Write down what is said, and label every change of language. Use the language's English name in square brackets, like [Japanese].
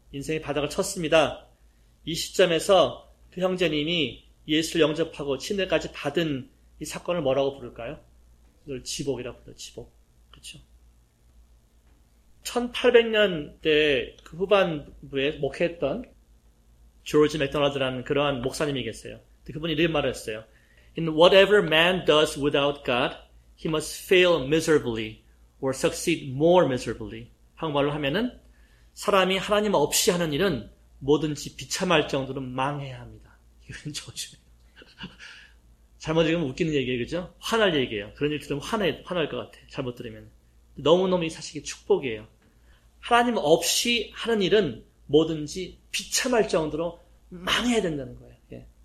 [Korean] 인생의 바닥을 쳤습니다. 이 시점에서 그 형제님이 예수를 영접하고 침례까지 받은 이 사건을 뭐라고 부를까요? 이걸 지복이라고 부르죠. 지복. 그렇죠? 1800년대 그 후반부에 목회했던 조지 맥도날드라는 그러한 목사님이겠어요. 그분이 이런 말을 했어요. [English] In whatever man does without God, he must fail miserably or succeed more miserably. [Korean] 한국말로 하면은 사람이 하나님 없이 하는 일은 뭐든지 비참할 정도로 망해야 합니다. 이건 조심해요. 잘못 들으면 웃기는 얘기예요. 그죠? 화날 얘기예요. 그런 일 들으면 화날 것 같아. 잘못 들으면. 너무너무 사실 축복이에요. 하나님 없이 하는 일은 뭐든지 비참할 정도로 망해야 된다는 거예요. 예.